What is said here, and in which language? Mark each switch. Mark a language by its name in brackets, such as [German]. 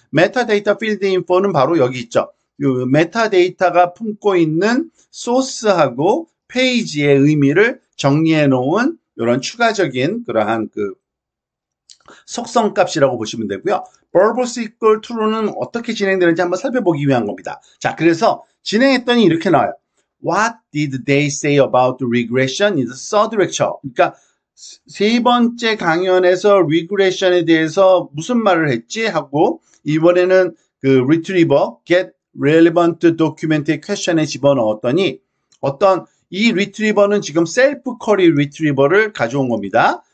[Korean] Metadata Field Info는 바로 여기 있죠. 메타데이터가 품고 있는 소스하고 페이지의 의미를 정리해 놓은 이런 추가적인 그러한 그 속성 값이라고 보시면 되고요. Verbose equal true는 어떻게 진행되는지 한번 살펴보기 위한 겁니다. 자, 그래서 진행했더니 이렇게 나와요. [English] What did they say about regression in the third lecture? [Korean] 그러니까 세 번째 강연에서 regression에 대해서 무슨 말을 했지? 하고 이번에는 그 retriever, get relevant document의 question에 집어넣었더니 어떤 이 retriever는 지금 self query retriever를 가져온 겁니다.